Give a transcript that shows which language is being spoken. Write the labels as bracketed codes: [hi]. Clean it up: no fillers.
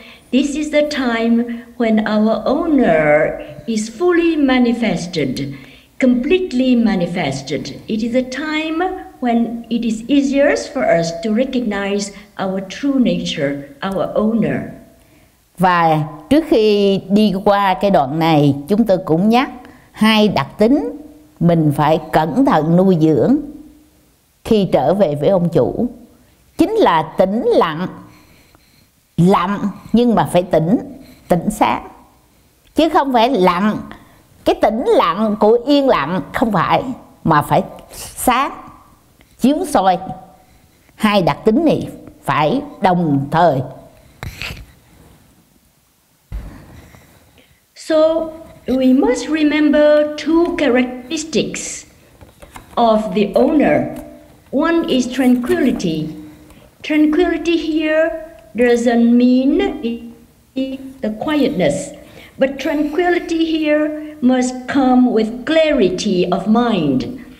[en] This is the time when our owner is fully manifested, completely manifested. It is a time when it is easier for us to recognize our true nature, our owner. [vi] Và trước khi đi qua cái đoạn này, chúng tôi cũng nhắc hai đặc tính mình phải cẩn thận nuôi dưỡng khi trở về với ông chủ. Chính là tĩnh lặng, lặng nhưng mà phải tĩnh, tĩnh sáng. Chứ không phải lặng, cái tĩnh lặng của yên lặng, không phải, mà phải sáng, chiếu soi. Hai đặc tính này phải đồng thời. [en] So we must remember two characteristics of the owner. One is tranquility. Tranquility here doesn't mean the quietness, but tranquility here must come with clarity of mind.